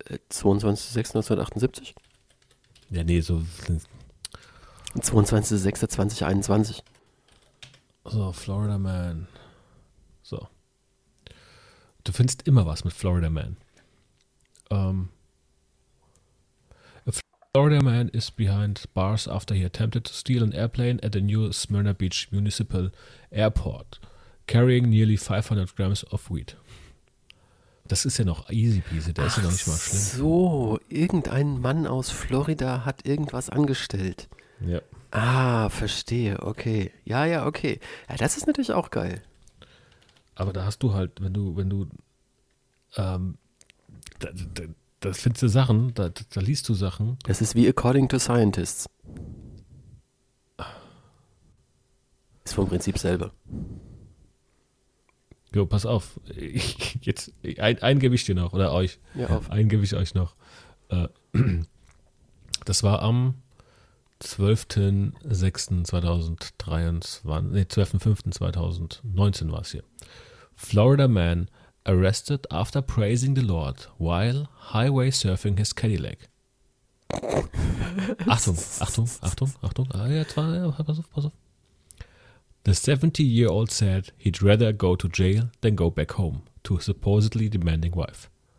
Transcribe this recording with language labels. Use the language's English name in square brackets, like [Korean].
[German] 22.06.2021. So, Florida Man. So. Du findest immer was mit Florida Man. [English] Florida man is behind bars after he attempted to steal an airplane at the new Smyrna Beach Municipal Airport, carrying nearly 500 grams of weed. [German] Das ist ja noch easy peasy, der ist ja noch nicht mal schlimm. So, irgendein Mann aus Florida hat irgendwas angestellt. Ja. Ah, verstehe, okay. Ja, okay. Ja, das ist natürlich auch geil. Aber da hast du halt, wenn du das findest du Sachen, da liest du Sachen. Das ist wie [English] According to Scientists. [German] Ist vom Prinzip selber. Jo, pass auf. Ein gebe ich dir noch, oder euch. Ja, auf. Ein gebe ich euch noch. Das war am 12.05.2019 war es hier. Florida Man [English] arrested after praising the Lord while highway surfing his Cadillac. [German] Achtung. Pass auf. [English] The 70-year-old said he'd rather go to jail than go back home to a supposedly demanding wife.